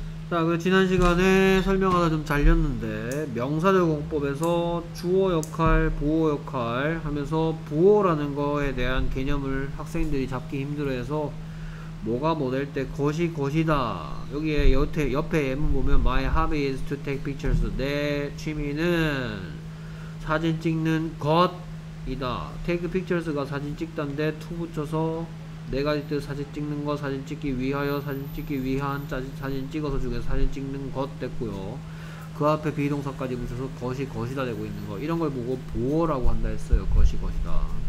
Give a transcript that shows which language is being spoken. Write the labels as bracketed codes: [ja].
[ko] 자, 그 지난 시간에 설명하다 좀 잘렸는데 명사 적용법에서 주어 역할, 보어 역할 하면서 보어라는 거에 대한 개념을 학생들이 잡기 힘들어해서 뭐가 뭐 될 때 것이 것이다. 여기에 옆에 예문 보면 [en] My hobby is to take pictures. [ko] 내 취미는 사진 찍는 것 이다. Take pictures가 사진 찍단데 to 붙여서 네 가지 뜻 사진 찍는 거 사진 찍기 위하여 사진 찍기 위한 사진 찍어서 중에서 사진 찍는 것 됐고요. 그 앞에 비동사까지 붙여서 것이 것이다 되고 있는 거 이런 걸 보고 보어라고 한다 했어요. 것이 것이다.